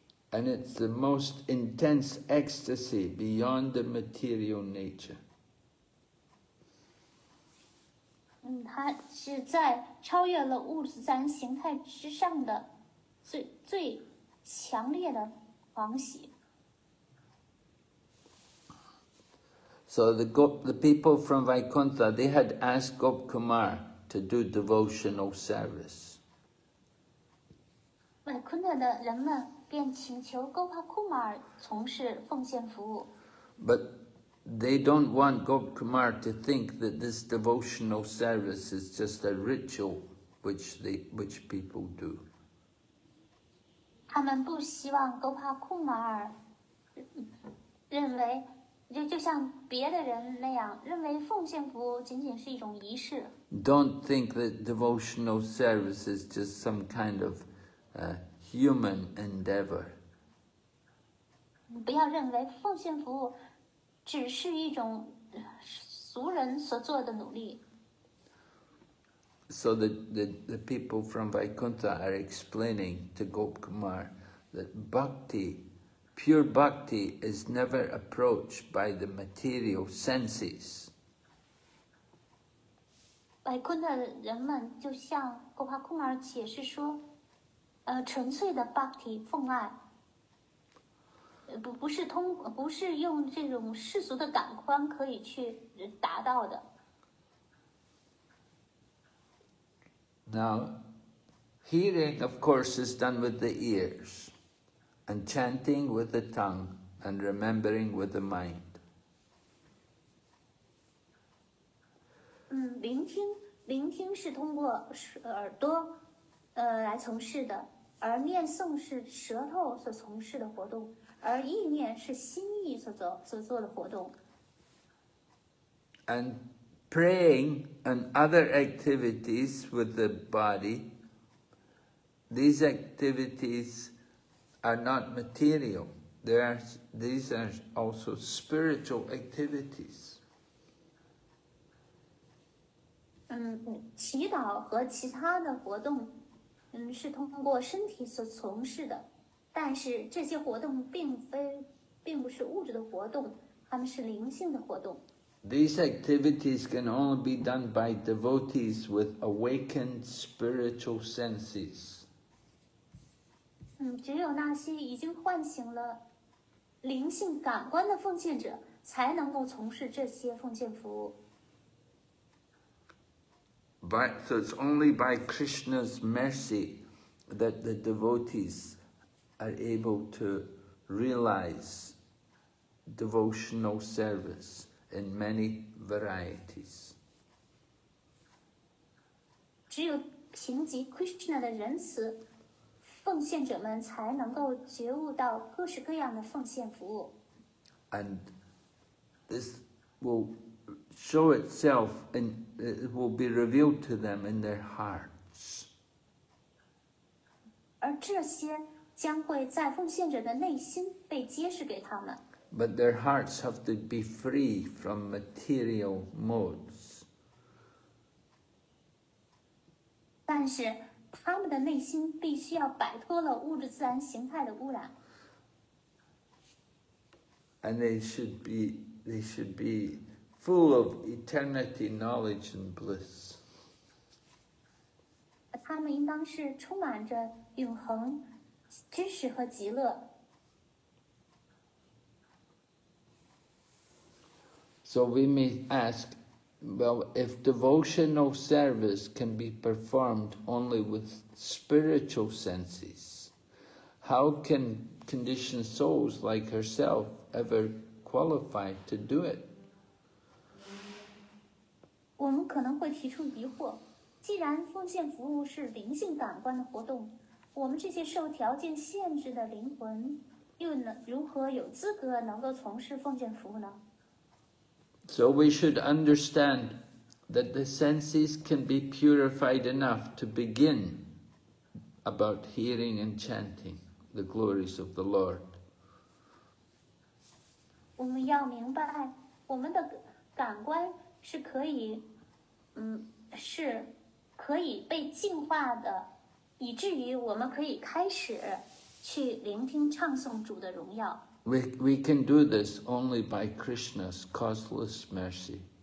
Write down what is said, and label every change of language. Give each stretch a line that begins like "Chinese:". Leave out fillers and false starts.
English: And it's the most intense ecstasy beyond the material nature.
Chinese: 它是在超越了物质自然形态之上的最最强烈的狂喜。
English: So the people from Vaikuntha, they had asked Gop Kumar to do devotional service.
Chinese: Vaikuntha 的人们便请求 Gop Kumar 从事奉献服务。
English: But they don't want Gop Kumar to think that this devotional service is just a ritual which people do.
Chinese: 他们不希望 Gop Kumar 认为就像别的人那样认为奉献服务仅仅是一种仪式。
English: Don't think that devotional service is just some kind of human endeavor.
Chinese: 不要认为奉献服务只是一种俗人所做的努力。
English: So the people from Vaikuntha are explaining to Gop Kumar that bhakti,Pure bhakti is never approached by the material senses.
Chinese: Vaikuntha 的人们就向 Gop Kumar 解释说，纯粹的 bhakti 奉爱，不是用这种世俗的感官可以去达到的。
English: Now, hearing of course is done with the ears. And chanting with the tongue and remembering with the mind.
Chinese: 聆听是通过耳朵，来从事的，而念诵是舌头所从事的活动，而意念是心意所做的活动。
English: And praying and other activities with the body. These activities. Are not material. These are also spiritual activities.
Chinese: 祈祷和其他的活动，是通过身体所从事的，但是这些活动并不是物质的活动，它们是灵性的活动。
English: These activities can only be done by devotees with awakened spiritual senses.
Chinese: 只有那些已经唤醒了灵性感官的奉献者才能够从事这些奉献服务。
English: So it's only by Krishna's mercy that the devotees are able to realize devotional service in many varieties.
Chinese: 只有凭藉 Krishna 的仁慈奉献者们才能够觉悟到各式各样的奉献服务。
English: And this will show itself and it will be revealed to them in their hearts.
Chinese: 而这些将会在奉献者的内心被揭示给他们。
English: But their hearts have to be free from material modes.
Chinese: 但是他们的内心必须要摆脱了物质自然形态的污染。
English: And they should be full of eternity knowledge and bliss.
Chinese: 他们应当是充满着永恒知识和极乐。
English: So we may ask,Well, if devotional service can be performed only with spiritual senses, how can conditioned souls like herself ever qualify to do it?
Chinese: 我们可能会提出疑惑，既然奉献服务是灵性感官的活动，我们这些受条件限制的灵魂又能如何有资格能够从事奉献服务呢？
English: So we should understand that the senses can be purified enough to begin about hearing and chanting the glories of the Lord. We can do this only by Krishna's causeless mercy.